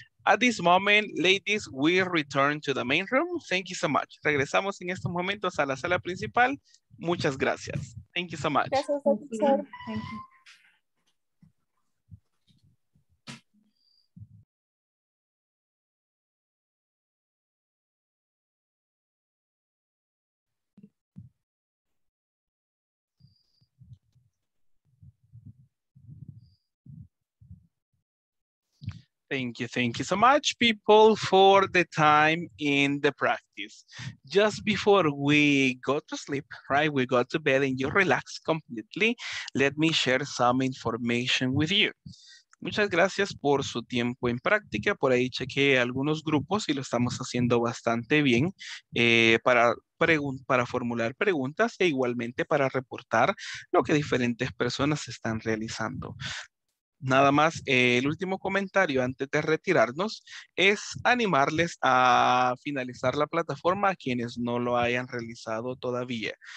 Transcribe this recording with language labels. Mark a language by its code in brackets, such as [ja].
[en] At this moment, ladies, we return to the main room. Thank you so much. [es] Regresamos en estos momentos a la sala principal. Muchas gracias. [en] Thank you so much. [es] Gracias, doctor. [en] Thank you. Thank you so much, people, for the time in the practice. Just before we go to sleep, right, we go to bed and you relax completely, let me share some information with you. [es] Muchas gracias por su tiempo en práctica. Por ahí chequeé algunos grupos y lo estamos haciendo bastante bien para formular preguntas e igualmente para reportar lo que diferentes personas están realizando. Nada más, el último comentario antes de retirarnos es animarles a finalizar la plataforma a quienes no lo hayan realizado todavía.